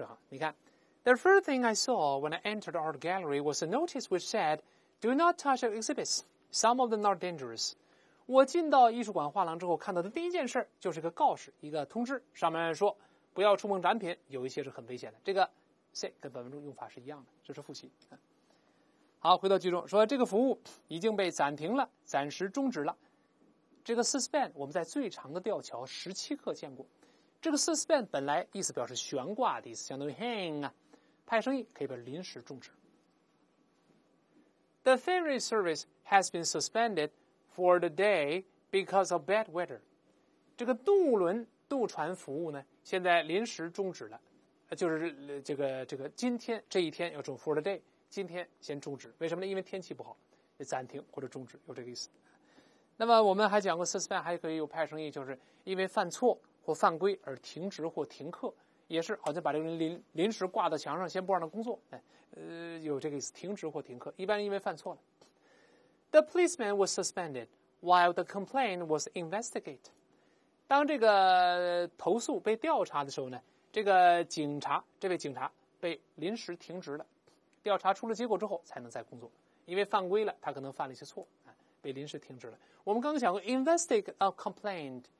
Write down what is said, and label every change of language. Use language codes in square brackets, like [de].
[zh] 你看 [en] The first thing I saw when I entered the art gallery was a notice which said, Do not touch the exhibits. Some of them are dangerous. [zh] 我进到艺术馆画廊之后看到的第一件事就是一个告示，一个通知，上面说不要触碰展品，有一些是很危险的。这个 say 跟本文中用法是一样的，这是复习。好，回到句中，说这个服务已经被暂停了，暂时终止了。这个 suspend 我们在最长的吊桥17课见过。这个 suspend 本来意思表示悬挂的意思，相当于 hang 啊，派生意可以被临时终止。 [en] The ferry service has been suspended for the day because of bad weather. [zh] 这个渡轮渡船服务呢，现在临时终止了，就是这个今天这一天要说 [en] for the day， [zh] 今天先终止，为什么呢？因为天气不好，暂停或者终止，有这个意思。那么我们还讲过 suspend 还可以有派生意，就是因为犯错或犯规而停职或停课，也是好像把这个人临时挂到墙上，先不让他工作。有这个意思，停职或停课，一般因为犯错了。 [en] The policeman was suspended while the complaint was investigated. [zh] 当这个投诉被调查的时候呢，这位警察被临时停职了，调查出了结果之后才能再工作，因为犯规了，他可能犯了一些错，被临时停职了。我们刚刚讲过 [en] investigate a complaint。